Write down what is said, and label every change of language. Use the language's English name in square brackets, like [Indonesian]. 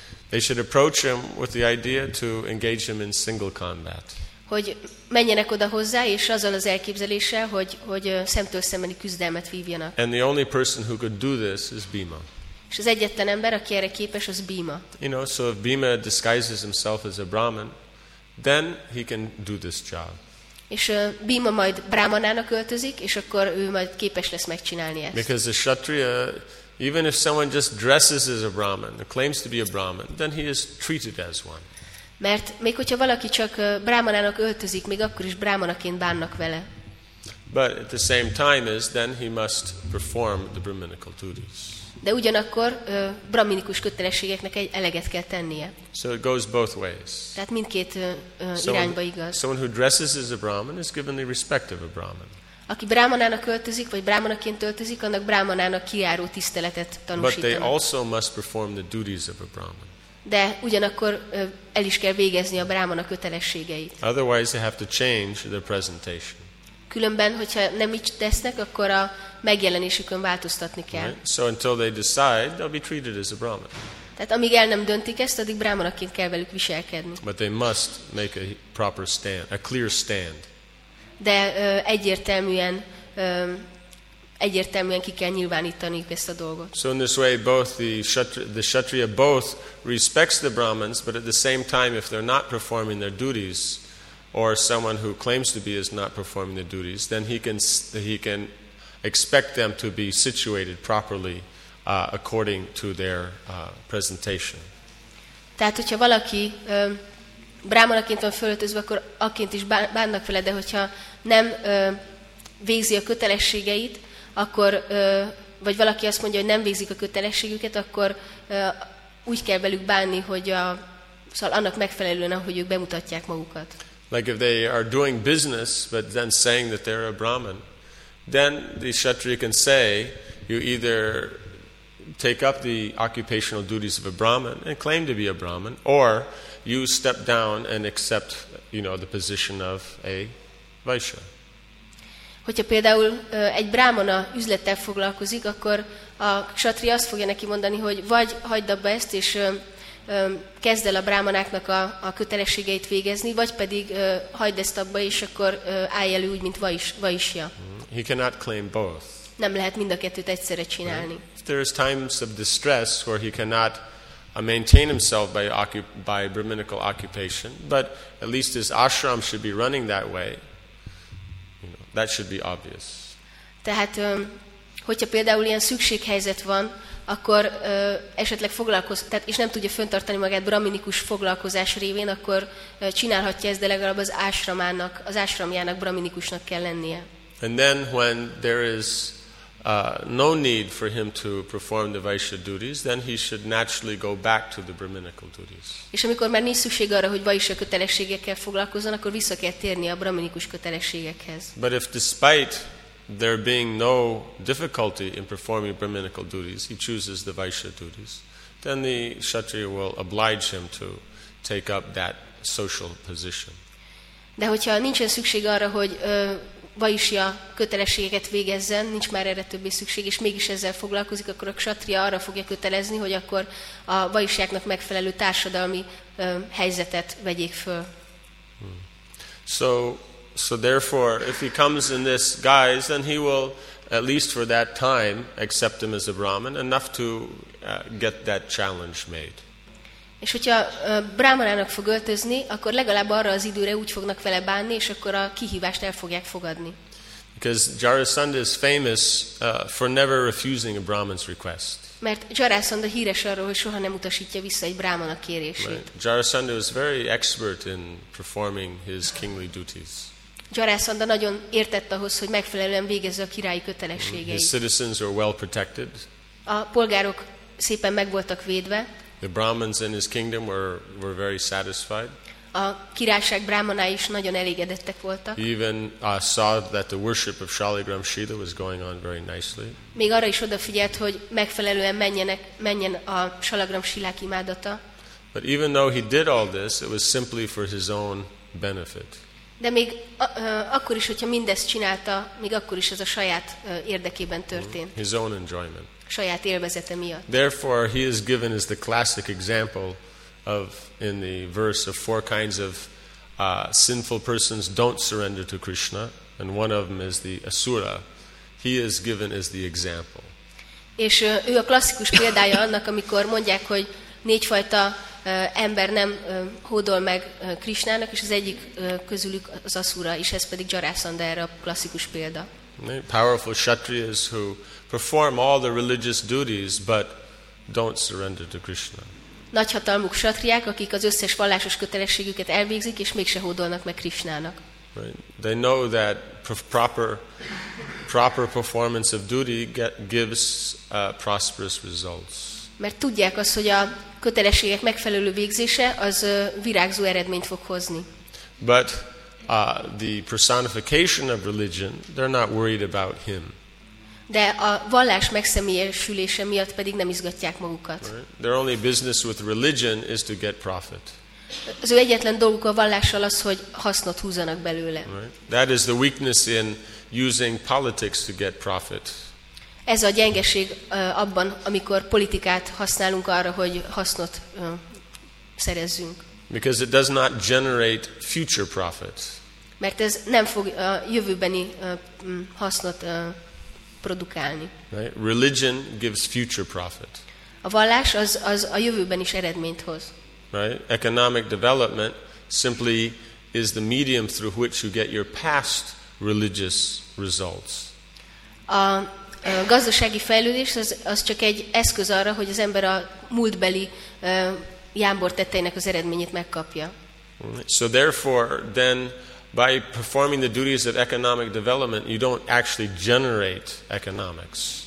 [English] They should approach him with the idea to engage him in single combat. [Hungarian] Hogy menjenek oda hozzá, és azzal az elképzeléssel, hogy szemtől szembeni küzdelmet vívjanak. [English] And the only person who could do this is Bhima. [Hungarian] És az egyetlen ember, aki erre képes, az Bhima. [English] You know, so if Bhima disguises himself as a Brahmin, then he can do this job. [Hungarian] És Bhima majd Brahmanának öltözik, és akkor ő majd képes lesz megcsinálni ezt. [English] Because a Kshatriya, even if someone just dresses as a Brahmin, claims to be a Brahmin, then he is treated as one. [Hungarian] Mert még hogyha valaki csak Brahmanának öltözik, még akkor is Brahmanaként bánnak vele. [English] But at the same time is, then he must perform the brahminical duties. [Hungarian] De ugyanakkor brahminikus kötelességeknek egy eleget kell tennie. [English] So it goes both ways. [Hungarian] Tehát mindkét irányba igaz. [English] Someone who dresses as a Brahmin is given the respect of a Brahmin. [Hungarian] Aki brahmanának öltözik, vagy brahmanaként öltözik, annak brahmanának kiáró tiszteletet tanúsítanak. [English] But they also must perform the duties of a Brahmin. [Hungarian] De ugyanakkor el is kell végezni a brahmana kötelességeit. [English] Otherwise they have to change their presentation. [Hungarian] Különben, hogyha nem így tesznek, akkor a megjelenésükön változtatni kell. [English] Right. So until they decide, they'll be treated as a Brahmin. [Hungarian] Tehát amíg el nem döntik ezt, addig brahmanaként kell velük viselkedni. [English] But they must make a proper stand, a clear stand. [Hungarian] De egyértelműen ki kell nyilvánítani ezt a dolgot. [English] So in this way, both the Kshatriya both respects the Brahmins, but at the same time, if they're not performing their duties, or someone who claims to be is not performing the duties, then he can expect them to be situated properly according to their presentation. [Hungarian] Tehát hogyha valaki brámanaként van fölöltözve, akkor akként is bánnak vele, de hogyha nem végzi a kötelességeit, akkor vagy valaki azt mondja, hogy nem végzik a kötelességüket, akkor úgy kell velük bánni, hogy szóval annak megfelelően, ahogy ők bemutatják magukat. [English] Like if they are doing business, but then saying that they're a Brahmin, then the Kshatriya can say, you either take up the occupational duties of a Brahmin and claim to be a Brahmin, or you step down and accept, you know, the position of a Vaishya. [Hungarian] Hogyha például egy brámana üzlettel foglalkozik, akkor a ksatria azt fogja neki mondani, hogy vagy hagyd abba ezt, és kezd el a brámanáknak a kötelességeit végezni, vagy pedig hagyd ezt abba, és akkor állj elő úgy, mint vaisja. [English] He cannot claim both. [Hungarian] Nem lehet mind a kettőt egyszerre csinálni. [English] Right. If there is times of distress where he cannot maintain himself by brahminical occupation, but at least his ashram should be running that way, you know, that should be obvious. [Hungarian] Tehát, hogyha például ilyen szükséghelyzet van, akkor esetleg tehát és nem tudja fönntartani magát brahminikus foglalkozás révén, akkor csinálhatja ezt, de legalább az ashramának, az ashramjának brahminikusnak kell lennie. [English] And then when there is no need for him to perform the vaisya duties, then he should naturally go back to the brahminical duties. [Hungarian] És amikor már nincs szükség arra, hogy vaisya kötelességekkel foglalkozzon, akkor vissza kell térni a brahminikus kötelességekhez. [English] But if despite there being no difficulty in performing brahminical duties, he chooses the vaisya duties, then the kshatriya will oblige him to take up that social position. [Hungarian] De hogyha nincsen szükség arra, hogy vaisya kötelességeket végezzen, nincs már erre többé szükség, és mégis ezzel foglalkozik, akkor a kshatriya arra fogja kötelezni, hogy akkor a vaisyáknak megfelelő társadalmi helyzetet vegyék föl. [English] So therefore, if he comes in this guise, then he will, at least for that time, accept him as a Brahman, enough to get that challenge made. [Hungarian] És hogyha brámanának fog öltözni, akkor legalább arra az időre úgy fognak vele bánni, és akkor a kihívást el fogják fogadni. [English] Because Jarasandha is famous for never refusing a Brahman's request. [Hungarian] Mert Jarasandha híres arról, hogy soha nem utasítja vissza egy brámana kérését. [English] Right. Jarasandha is very expert in performing his kingly duties. [Hungarian] Jarasandha nagyon értett ahhoz, hogy megfelelően végezze a királyi kötelességeit. [English] His citizens were well protected. [Hungarian] A polgárok szépen meg voltak védve. [English] The Brahmins in his kingdom were very satisfied. [Hungarian] A királyság brámanái is nagyon elégedettek voltak. [English] Even saw that the worship of Shaligram Sheetha was going on very nicely. [Hungarian] Még arra is odafigyelt, hogy megfelelően menjen a Shaligram Sheetha imádata. [English] But even though he did all this, it was simply for his own benefit. [Hungarian] De még akkor is, hogyha mindezt csinálta, még akkor is ez a saját érdekében történt. [English] His own enjoyment. [Hungarian] Saját élvezete miatt. [English] Therefore, he is given as the classic example of in the verse of four kinds of sinful persons don't surrender to Krishna, and one of them is the asura. He is given as the example. [Hungarian] És ő a klasszikus példája annak, amikor mondják, hogy négyfajta ember nem hódol meg Krishnának, és az egyik közülük az asura, és ez pedig Jarasandha, erre a klasszikus példa. [English] Powerful kshatriyas who perform all the religious duties but don't surrender to Krishna. [Hungarian] Nagyhatalmú kshatriyák, akik az összes vallásos kötelességüket elvégzik és mégse hódolnak meg Krishnának. [English] Right. They know that proper performance of duty gives prosperous results. [Hungarian] Mert tudják azt, hogy a kötelességek megfelelő végzése az virágzó eredményt fog hozni. [English] But the personification of religion, they're not worried about him. [Hungarian] De a vallás megszemélyesülése miatt pedig nem izgatják magukat. [English] Right? Their only business with religion is to get profit. [Hungarian] Az ő egyetlen dolguk a vallással az, hogy hasznot húzzanak belőle. [English] Right? That is the weakness in using politics to get profit. [Hungarian] Ez a gyengeség abban, amikor politikát használunk arra, hogy hasznot szerezzünk. [English] Because it does not generate future profit. [Hungarian] Mert ez nem fog a jövőbeni hasznot produkálni. [English] Right? Religion gives future profit. [Hungarian] A vallás az a jövőben is eredményt hoz. [English] Right? Economic development simply is the medium through which you get your past religious results. [Hungarian] A gazdasági fejlődés az csak egy eszköz arra, hogy az ember a múltbeli jámbor tetteinek az eredményét megkapja. [English] So therefore, then by performing the duties of economic development, you don't actually generate economics.